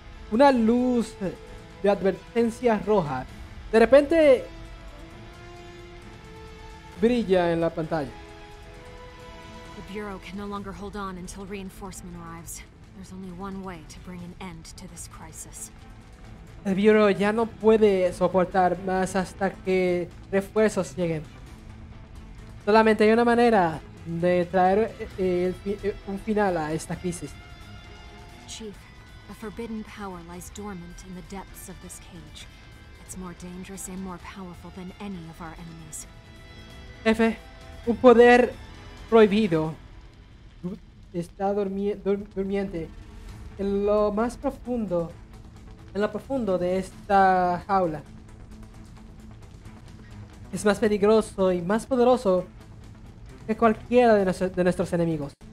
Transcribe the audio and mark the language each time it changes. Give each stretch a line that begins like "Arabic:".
Spanish: Una luz de advertencia roja de repente brilla en la pantalla.
English: The bureau can no longer hold on until reinforcement arrives. There's only one way to bring an end to this crisis.
Spanish: El bureau ya no puede soportar más hasta que refuerzos lleguen. Solamente hay una manera de traer un final a esta crisis.
English: Chief, a forbidden power lies dormant in the depths of this cage. It's more dangerous and more powerful than any of our enemies.
Spanish: Jefe, un poder prohibido. Está durmiente en lo más profundo, en lo profundo de esta jaula. Es más peligroso y más poderoso que cualquiera de nuestros enemigos.